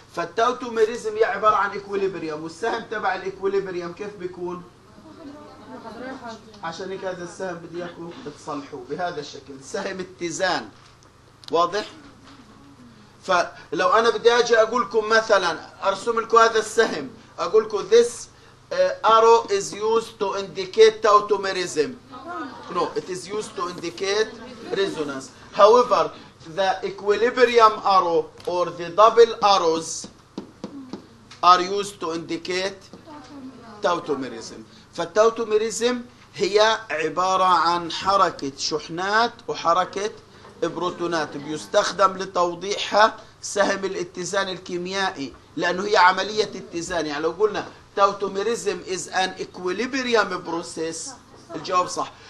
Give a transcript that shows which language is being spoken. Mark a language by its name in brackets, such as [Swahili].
[Arabic] فالتاوتوميريزم هي عبارة عن إكويليبريم، والسهم تبع الإكويليبريم كيف بيكون؟ عشان هيك هذا السهم بدي اياكم تصلحوه بهذا الشكل، سهم اتزان. واضح؟ فلو انا بدي اجي اقول لكم مثلا ارسم لكم هذا السهم، اقول لكم [English] this arrow is used to indicate tautomerism. No, it is used to indicate resonance. However, the equilibrium arrow or the double arrows are used to indicate tautomerism. [Arabic] فالتاوتوميريزم هي عبارة عن حركة شحنات وحركة بروتونات، بيستخدم لتوضيحها سهم الاتزان الكيميائي، لأنه هي عملية اتزان. يعني لو قلنا تاوتوميريزم [English] is an equilibrium process، [Arabic] الجواب صح.